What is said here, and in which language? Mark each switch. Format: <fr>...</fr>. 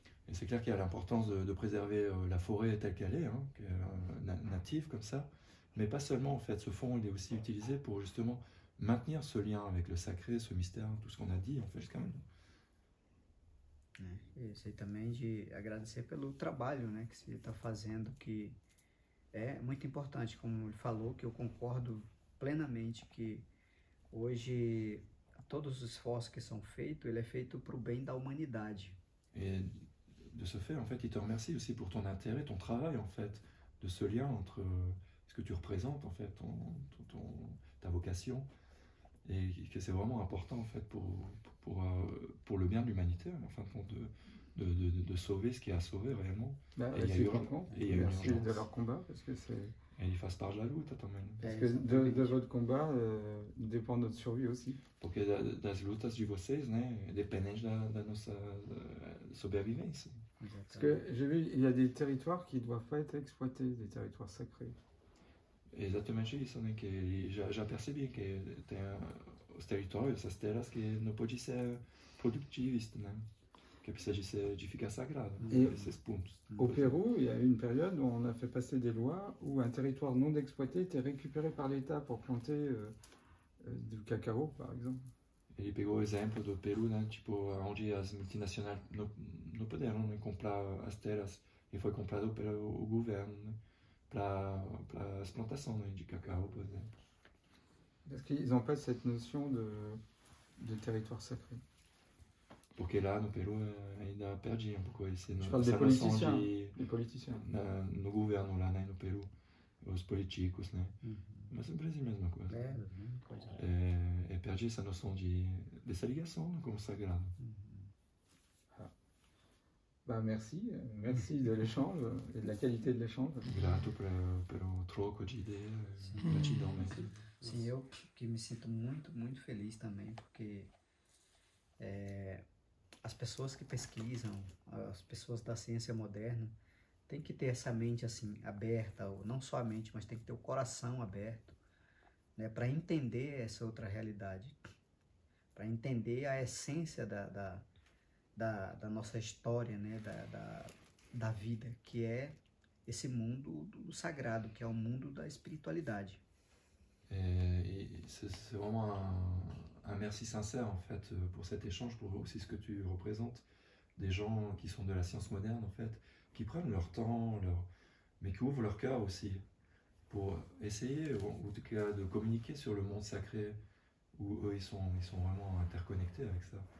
<fr>Et c'est clair qu'il y a l'importance de préserver la forêt telle qu'elle est, hein, native comme ça. Mais pas seulement, en fait, ce fonds il est aussi utilisé pour justement maintenir ce lien avec le sacré, ce mystère, tout ce qu'on a dit, en fait, jusqu'à maintenant. Et c'est aussi de</fr> <pt>agradecer pelo trabalho, né, que você está fazendo, que é muito importante, como ele falou, que eu concordo plenamente, que hoje todos os esforços que são feitos, ele é feito para o bem da humanidade.</pt> <fr>Et de ce fait, en fait, il te remercie aussi pour ton intérêt, ton travail, en fait, de ce lien entre ce que tu représentes, en fait, ta vocation, et que c'est vraiment important, en fait, pour le bien de l'humanité, enfin, de sauver ce qu'il y a à sauver, réellement. Bah, et merci de leur combat, parce que c'est... Et ils fassent par jaloux, toi, quand même. Parce que de votre combat dépend notre survie aussi.</fr> <pt>Porque das lutas de vocês, né, dependem da nossa sobrevivência.</pt> <fr>Parce que j'ai vu, il y a des territoires qui ne doivent pas être exploités, des territoires sacrés.</fr> <pt>Exatamente isso, né, que já percebi que tem os territórios, essas terras que não pode ser productivas, né, que precisa de ficar sagrado, esses pontos.</pt> <fr>Au Pérou, il y a eu une période où on a fait passer des lois où un territoire non exploité était récupéré par l'État pour planter du cacao, par exemple.</fr> <pt>Ele pegou o exemplo do Peru, né, tipo, onde as multinacionais não puderam, né, comprar as terras, e foi comprado pelo governo, né, para as plantações, né, de cacao, por exemplo.</pt> <fr>Parce qu'ils n'ont pas cette notion de territoire sacré.</fr> <pt>Porque lá no Peru ainda perdi um pouco esse...</pt> <fr>Je parle des politiciens. Des politiciens.</fr> <pt>No governo lá, né, no Peru, os políticos, né. Mas no Brasil, mesma coisa. É perdi essa noção dessa ligação, né, como sagrado.</pt> <fr>Bah, merci de l'échange et de la qualité de l'échange.</fr> <pt>Grato pelo troco de ideia. Gratidão,</pt> <fr>merci.</fr> <pt>Sim, eu que me sinto muito, muito feliz também, porque as pessoas que pesquisam, as pessoas da ciência moderna, têm que ter essa mente assim, aberta, ou não só a mente, mas tem que ter o coração aberto, né, para entender essa outra realidade, para entender a essência da nossa história, né, da vida, que é esse mundo do sagrado, que é o mundo da espiritualidade.</pt> <fr>C'est vraiment un merci sincère en fait pour cet échange, pour aussi ce que tu représentes, des gens qui sont de la science moderne en fait, qui prennent leur temps, mais qui ouvrent leur cœur aussi pour essayer en tout cas de communiquer sur le monde sacré où eux ils sont vraiment interconnectés avec ça.</fr>